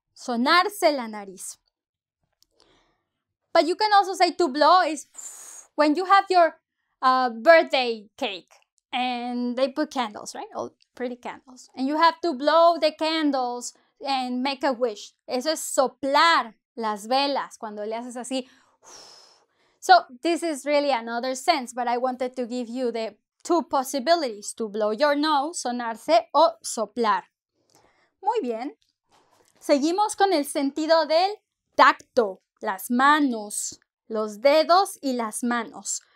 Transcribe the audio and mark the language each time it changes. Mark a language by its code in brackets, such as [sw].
[es] Sonarse la nariz. [en] But you can also say to blow is when you have your birthday cake and they put candles, right? All pretty candles. And you have to blow the candles and make a wish. [es] Eso es soplar las velas cuando le haces así. [en] So this is really another sense, but I wanted to give you the two possibilities, to blow your nose, [es] sonarse, o soplar. Muy bien. Seguimos con el sentido del tacto, las manos, los dedos y las manos.